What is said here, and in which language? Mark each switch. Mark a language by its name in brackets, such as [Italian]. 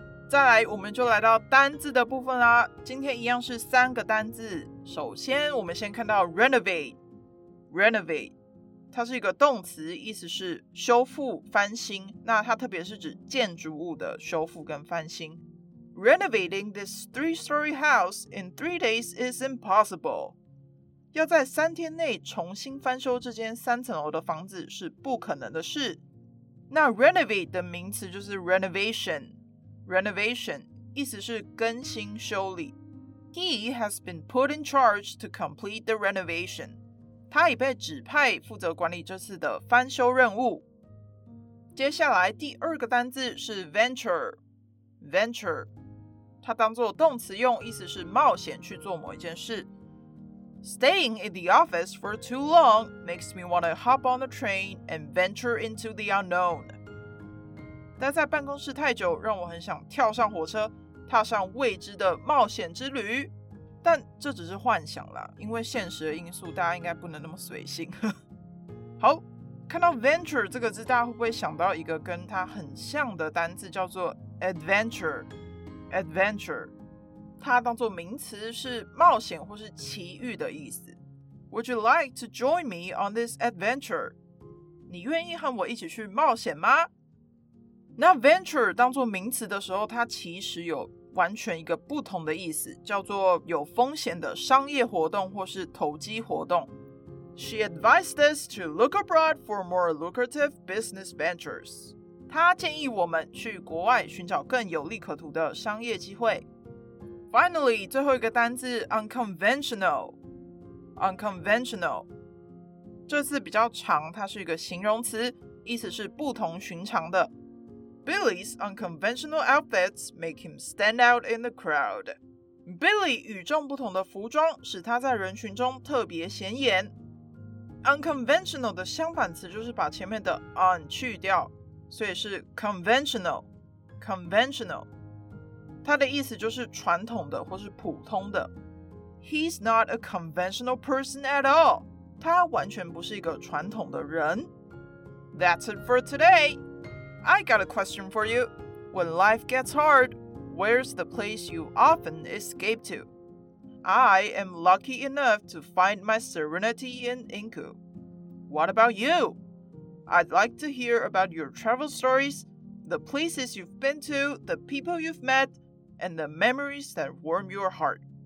[Chinese] 再来，我们就来到单字的部分啦。今天一样是三个单字。首先，我们先看到 renovate。它是一个动词，意思是修复、翻新。那它特别是指建筑物的修复跟翻新。 [English] Renovating this three-story house in 3 days is impossible. [Chinese] 要在三天内重新翻修这间三层楼的房子是不可能的事。那 renovate 的名词就是 renovation， 意思是更新、修理。 [English] He has been put in charge to complete the renovation. [Chinese] 他已被指派负责管理这次的翻修任务。接下来第二个单字是 venture， 它当作动词用，意思是冒险去做某一件事。 [English] Staying in the office for too long makes me want to hop on the train and venture into the unknown。 [Chinese] 待在办公室太久，让我很想跳上火车，踏上未知的冒险之旅。但这只是幻想啦，因为现实的因素大家应该不能那么随性。好，看到 venture 这个字，大家会不会想到一个跟它很像的单字叫做 adventure， 它当作名词是冒险或是奇遇的意思。 [English] Would you like to join me on this adventure? [Chinese] 你愿意和我一起去冒险吗？那 venture 当作名词的时候，它其实有完全一个不同的意思，叫做有风险的商业活动或是投机活动。 [English] She advised us to look abroad for more lucrative business ventures. [Chinese] 她建议我们去国外寻找更有利可图的商业机会。 [English] Finally, [Chinese] 最后一个单字 unconventional. [English] Unconventional. [Chinese] 这次比较长，它是一个形容词，意思是不同寻常的。 [English] Billy's unconventional outfits make him stand out in the crowd. [Chinese] Billy 与众不同的服装使他在人群中特别显眼。 Unconventional 的相反词就是把前面的 un 去掉，所以是 conventional. [English] Conventional. [Chinese] 它的意思就是传统的或是普通的。 [English] He's not a conventional person at all. [Chinese] 他完全不是一个传统的人。 [English] That's it for today. I got a question for you. When life gets hard, where's the place you often escape to? I am lucky enough to find my serenity in Inku. What about you? I'd like to hear about your travel stories, the places you've been to, the people you've met, and the memories that warm your heart.